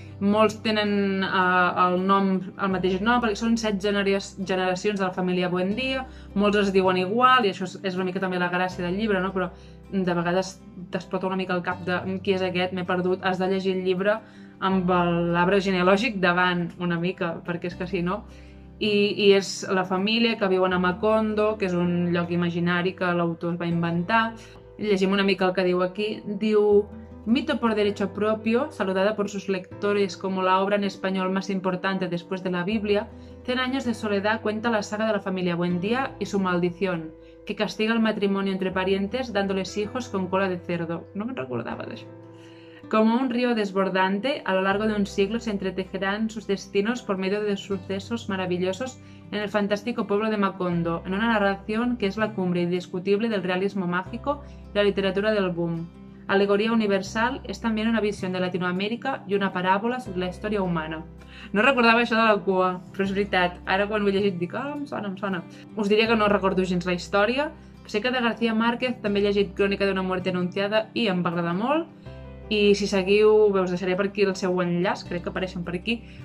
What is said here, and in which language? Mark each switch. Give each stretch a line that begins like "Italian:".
Catalan: Molts tenen el mateix nom, perquè són 7 generacions de la família Buendía, molts es diuen igual, i això és una mica també la gràcia del llibre, no? Però de vegades t'explota una mica el cap de qui és aquest, m'he perdut, has de llegir el llibre amb l'arbre genealògic davant, una mica, perquè és que si no... I és la família que viuen a Macondo, que és un lloc imaginari que l'autor es va inventar. Llegim una mica el que diu aquí.
Spanish: Diu, mito por derecho propio, saludada por sus lectores como la obra en español más importante después de la Biblia, 100 años de soledad cuenta la saga de la familia Buendía y su maldición, que castiga el matrimonio entre parientes dándoles hijos con cola de cerdo.
Catalan: No me recordava d'això.
Spanish: Como un río desbordante, a lo largo de un siglo se entretejerán sus destinos por medio de sucesos maravillosos en el fantástico pueblo de Macondo, en una narración que es la cumbre indiscutible del realismo mágico y la literatura del boom. Alegoría universal es también una visión de Latinoamérica y una parábola sobre la historia humana.
Catalan: No recordava això de la cua, però és veritat. Ara quan ho he llegit dic, ah, em sona. Us diria que no recordo gens la història. Sé que de García Márquez també he llegit Crònica d'una mort anunciada i em va agradar molt. I si seguiu, bé, us deixaré per aquí el seu enllaç, crec que apareixen per aquí.